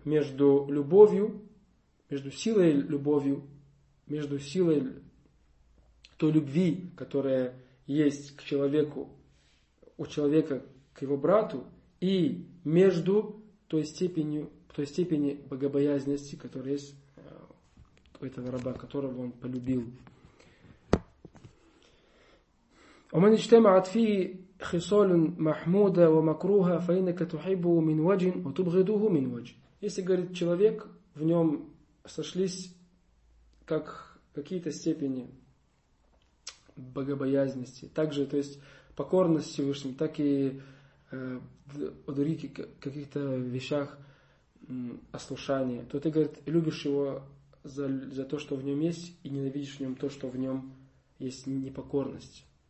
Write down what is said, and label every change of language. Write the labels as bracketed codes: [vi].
[ru] Между любовью, между силой любовью, между силой той любви, которая есть к человеку, у человека к его брату, и между той степени богобоязненности, которая есть у этого раба, которого он полюбил. [ar] ومن اجتمعت فيه خصال محمودة ومكروهة فإنك تحبه من وجه وتبغضه من وجه. [ru] Если, говорит, человек, в нем сошлись как какие-то степени богобоязненности, также, то есть покорности Всевышнему, так и о других каких-то вещах ослушания, то ты, говорит, любишь его за то, что в нем есть, и ненавидишь в нем то, что в нем есть непокорность.